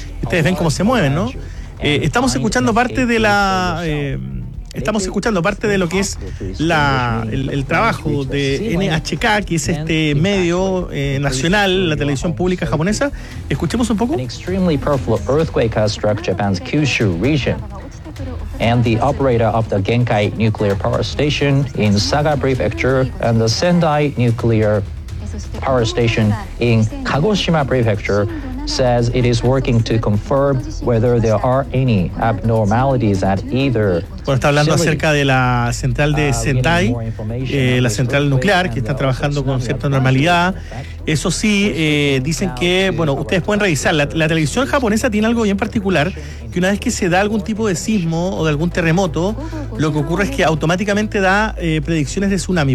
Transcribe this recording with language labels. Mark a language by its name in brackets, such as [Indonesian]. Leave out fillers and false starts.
[Spanish] Ustedes ven cómo se mueven, ¿no? Estamos escuchando parte de la... estamos escuchando parte de lo que es el trabajo de NHK, que es este medio nacional, la televisión pública japonesa. [English] Escuchemos un poco. An extremely powerful earthquake has struck Japan's Kyushu region. And the operator of the Genkai nuclear power station in Saga Prefecture and the Sendai nuclear power station in Kagoshima Prefecture says it is working to confirm whether there are any abnormalities at either. [Spanish] Bueno, está hablando acerca de la central de Sendai, la central nuclear, que está trabajando con cierta normalidad. Eso sí, dicen que, bueno, ustedes pueden revisar, la televisión japonesa tiene algo bien particular, que una vez que se da algún tipo de sismo o de algún terremoto, lo que ocurre es que automáticamente da predicciones de tsunami.